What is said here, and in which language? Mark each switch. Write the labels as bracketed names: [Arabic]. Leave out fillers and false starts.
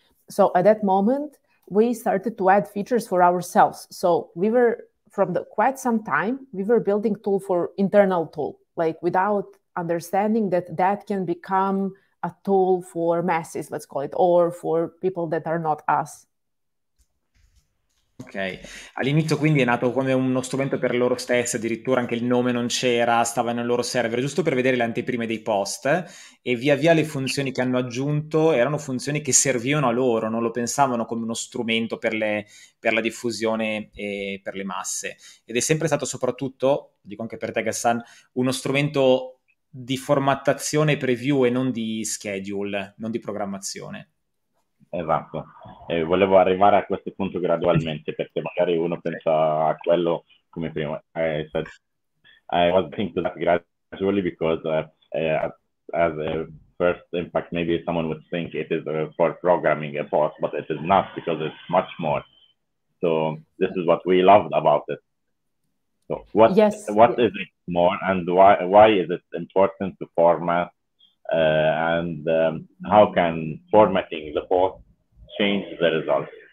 [English] So at that moment, we started to add features for ourselves. So we were, from the quite some time, we were building tool for internal tool, like without understanding that that can become a tool for masses, let's call it, or for people that are not us. [Italian] Ok, all'inizio quindi è nato come uno strumento per loro stessi, addirittura anche il nome non c'era, stava nel loro server, giusto per vedere le anteprime dei post, e via via le funzioni che hanno aggiunto erano funzioni che servivano a loro, non lo pensavano come uno strumento per la diffusione e per le masse. Ed è sempre stato soprattutto, dico anche per te Gassan, uno strumento di formattazione preview e non di schedule, non di programmazione. Esatto, volevo arrivare a questo punto gradualmente perché magari uno pensa a quello come prima. [English] I was thinking that gradually because as a first impact maybe someone would think it is for programming a post, but it is not because it's much more. So this is what we loved about it. So what, yes, what yes. is it more and why is it important to format and how can formatting the post change the results?